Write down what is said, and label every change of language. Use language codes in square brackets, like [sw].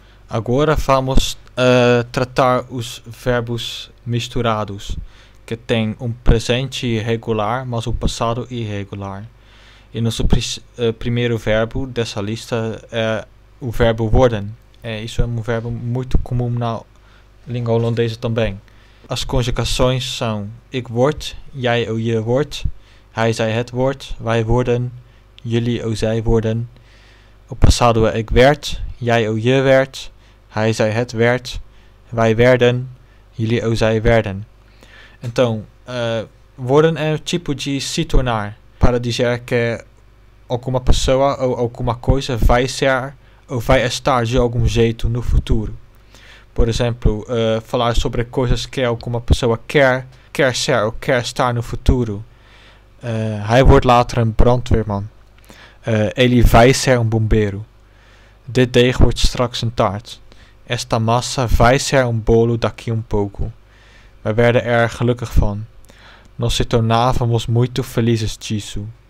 [pt] Agora vamos tratar os verbos misturados, que tem presente regular, mas passado irregular. E nosso primeiro verbo dessa lista é o verbo worden. Isso é verbo muito comum na língua holandesa também. As conjugações são [nl] ik word, jij ou je wordt, hij zij het wordt, wij worden, jullie ou zij worden. [pt] O passado é [nl] ik werd, jij ou je werd, hij zij het werd, wij werden, jullie ou zij werden. [pt] Então, worden é tipo de se tornar, para dizer que alguma pessoa ou alguma coisa vai ser ou vai estar de algum jeito no futuro. Por exemplo, falar sobre coisas que alguma pessoa quer ser ou quer estar no futuro. [nl] Hij wordt later een brandweerman. [pt] Ele vai ser bombeiro. [nl] Dit deeg wordt straks een taart. [pt] Esta massa vai ser bolo daqui pouco. [nl] We werden er gelukkig van. [pt] Nós se tornávamos muito felizes disso.